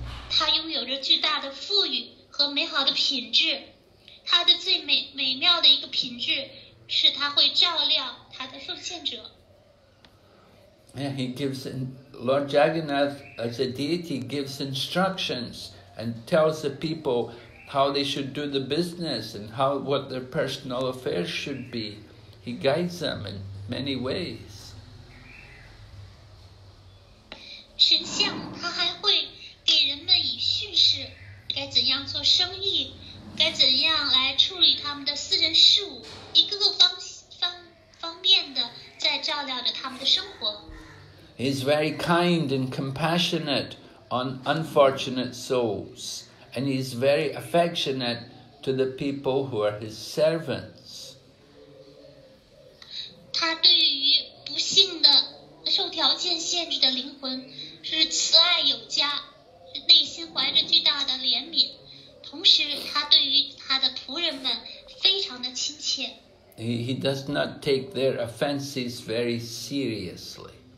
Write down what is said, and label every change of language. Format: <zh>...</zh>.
<zh>他拥有着巨大的富裕和美好的品质。他的最美妙的一个品质是他会照料他的奉献者。</zh> <en>Yeah, he gives Lord Jagannath as a deity gives instructions and tells the people. How they should do the business and what their personal affairs should be. He guides them in many ways.</en> <zh>神像他还会给人们以叙事，该怎样做生意，该怎样来处理他们的私人事务，一个个方面的在照料着他们的生活。</zh> <en>He's very kind and compassionate on unfortunate souls. And he's very affectionate to the people who are his servants.</en> <zh>他对于不幸的、受条件限制的灵魂是慈爱有加，内心怀着巨大的怜悯。同时，他对于他的仆人们非常的亲切。</zh> <en>He does not take their offenses very seriously.</en>